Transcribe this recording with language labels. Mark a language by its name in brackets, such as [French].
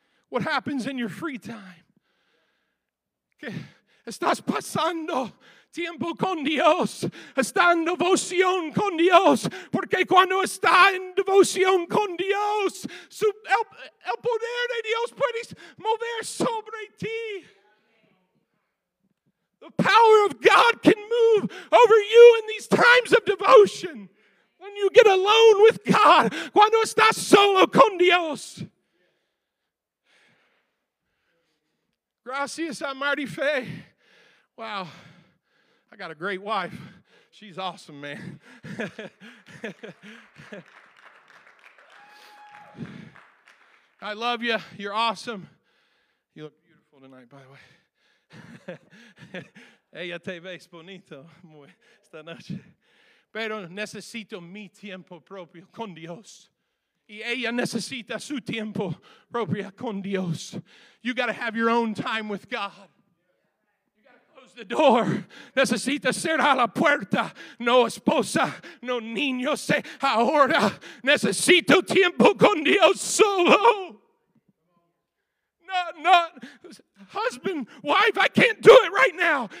[English] What happens in your free time? [Spanish] ¿Qué estás pasando? Tiempo con Dios, está en devoción con Dios, porque cuando está en devoción con Dios, el poder de Dios puede mover sobre ti. [English] The power of God can move over you in these times of devotion. When you get alone with God, [Spanish] cuando estás solo con Dios. Gracias a [English] Marty Faye. Wow, I got a great wife. She's awesome, man. I love you. You're awesome. You look beautiful tonight, by the way. [Spanish] Ella te ves bonito muy esta noche. Pero necesito mi tiempo propio con Dios. Y ella necesita su tiempo propio con Dios. [English] You got to have your own time with God. The door. [Spanish] Necesita cerrar la puerta. No esposa, no niños. Ahora necesito tiempo con Dios solo. [English] Not husband, wife, I can't do it right now.